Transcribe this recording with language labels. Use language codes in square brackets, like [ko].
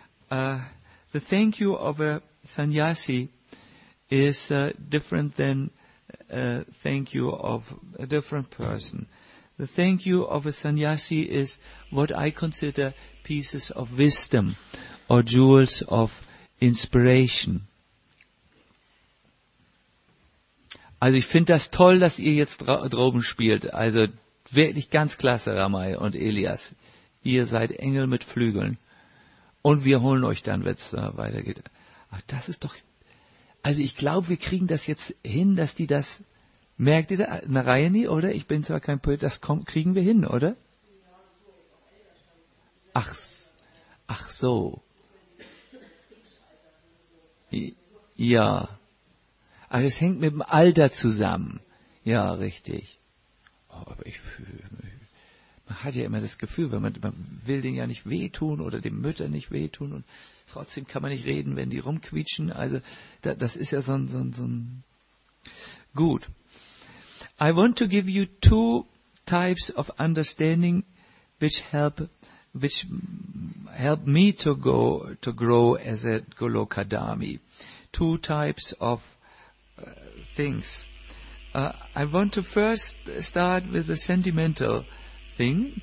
[en] The thank you of a sannyasi is different than thank you of a different person. The thank you of a sannyasi is what I consider pieces of wisdom or jewels of inspiration. [de] Also ich finde das toll, dass ihr jetzt droben spielt. Also wirklich ganz klasse, Ramay und Elias. Ihr seid Engel mit Flügeln. Und wir holen euch dann, wenn es weitergeht. Ach, das ist doch... Also ich glaube, wir kriegen das jetzt hin, dass die das... Merkt ihr da? Narayani, oder? Ich bin zwar kein Poet, das kriegen wir hin, oder? Ach so. Ja. Aber es hängt mit dem Alter zusammen. Ja, richtig. Oh, aber ich fühle... Man hat ja immer das Gefühl, wenn man will den ja nicht wehtun oder den Müttern nicht wehtun und trotzdem kann man nicht reden, wenn die rumquietschen. Also das ist ja so ein... Gut. [en] I want to give you two types of understanding which help me to grow as a Goloka Dhammi. Two types of things. I want to first start with the sentimental thing.